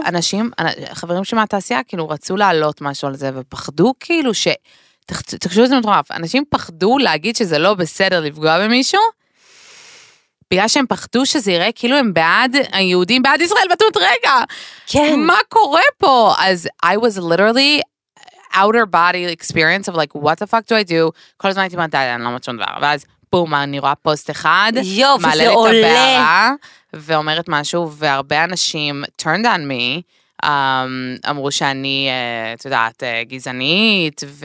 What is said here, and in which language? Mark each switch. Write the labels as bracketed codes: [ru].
[he] אנשים, חברים שמהתעשייה, כאילו, רצו לעלות משהו על זה, ופחדו כאילו ש תקשו את זה מטורף, אנשים פחדו להגיד שזה לא בסדר לפגוע במישהו, בגלל שהם פחדו שזה יראה כאילו הם בעד היהודים, בעד ישראל, בטוח רגע. כן. מה קורה פה? [en] אז I was literally outer body experience of like, what the fuck do I do? [he] כל הזמן הייתי אומרת, די, אני לא אומרת שום דבר. ואז בום, אני רואה פוסט אחד. יופ, זה עולה. מעלה את הבערה, ואומרת משהו, והרבה אנשים [en] turned on me, [he] אמרו שאני, את יודעת, גזענית,